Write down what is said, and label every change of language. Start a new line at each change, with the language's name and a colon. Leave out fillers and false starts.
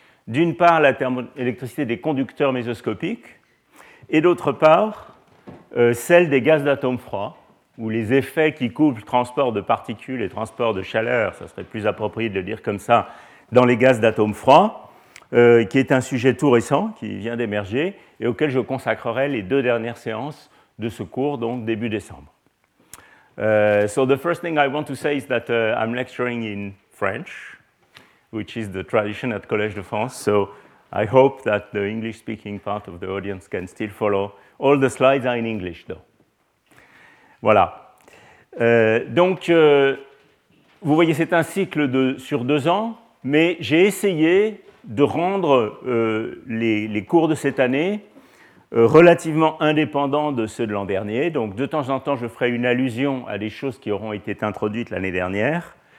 French: D'une part, la thermoélectricité des conducteurs mésoscopiques, et d'autre part, celle des gaz d'atomes froids, ou les effets qui couplent transport de particules et transport de chaleur, ça serait plus approprié de le dire comme ça, dans les gaz d'atomes froids, qui est un sujet tout récent, qui vient d'émerger, et auquel je consacrerai les deux dernières séances de ce cours, donc début décembre.
English: So the first thing I want to say is that I'm lecturing in French, which is the tradition at Collège de France, so I hope that the English-speaking part of the audience can still follow. All the slides are in English, though.
French: Voilà. Donc, vous voyez, c'est un cycle sur deux ans, mais j'ai essayé de rendre les cours de cette année relativement indépendant de ceux de l'an dernier. Donc, de temps en temps, je ferai une allusion à des choses qui auront été introduites l'année dernière.